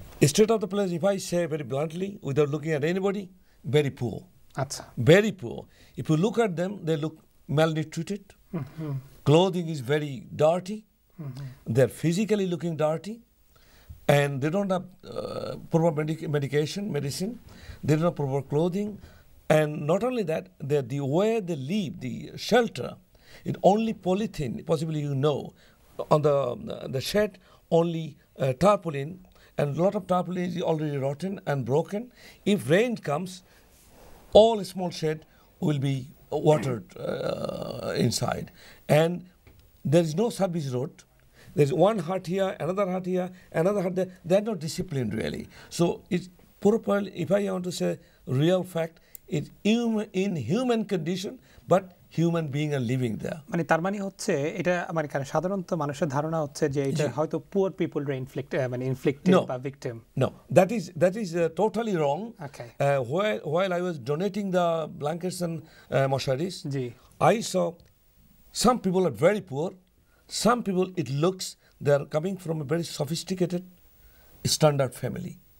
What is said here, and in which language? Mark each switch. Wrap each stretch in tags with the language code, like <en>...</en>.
<en>State of the place if I say very bluntly without looking at anybody, very poor.</en> <bn>আচ্ছা,</bn> <en>Very poor. If you look at them, they look malnutrited, clothing is very dirty, they are physically looking dirty, and they don't have proper medicine, they don't have proper clothing, and not only that, that the way they leave the shelter, it only polythene, possibly you know, on the shed, only tarpaulin, and a lot of tarpaulin is already rotten and broken. If rain comes, all small shed will be watered inside, and there is no service road. There's one hut here, another hut here, another hut there. They're not disciplined, really. So it's proper, if I want to say real fact, it's inhuman condition, but human being are living there.</en> <bn>মানে তার মানে হচ্ছে এটা মানে কারণ সাধারণত মানুষের ধারণা হচ্ছে যে এটা হয়তো</bn> <en>poor people inflicted</en> <bn>বা victim.</bn> <en>No, that is totally wrong. Okay. While I was donating the blankets and mosharis,</en> <bn>G,</bn> <en>I saw some people are very poor. Some people, it looks, they are coming from a very sophisticated, standard family.</en>